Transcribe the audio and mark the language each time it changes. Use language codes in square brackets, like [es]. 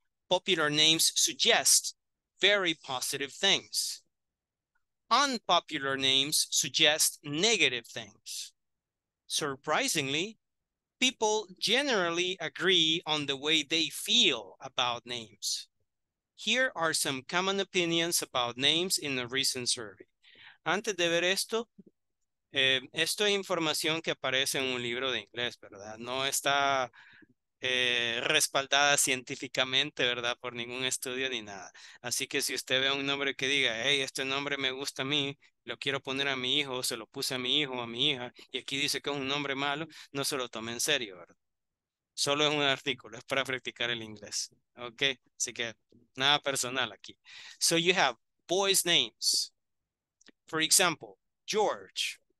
[en] Popular names suggest very positive things. Unpopular names suggest negative things. Surprisingly, people generally agree on the way they feel about names. Here are some common opinions about names in a recent survey. [es] Antes de ver esto, esto es información que aparece en un libro de inglés, ¿verdad? No está respaldada científicamente, ¿verdad? Por ningún estudio ni nada. Así que si usted ve un nombre que diga, hey, este nombre me gusta a mí, lo quiero poner a mi hijo, se lo puse a mi hijo, a mi hija, y aquí dice que es un nombre malo, no se lo tome en serio, ¿verdad? Solo es un artículo, es para practicar el inglés. Ok, así que nada personal aquí. [en] So you have boys' names. For example, George.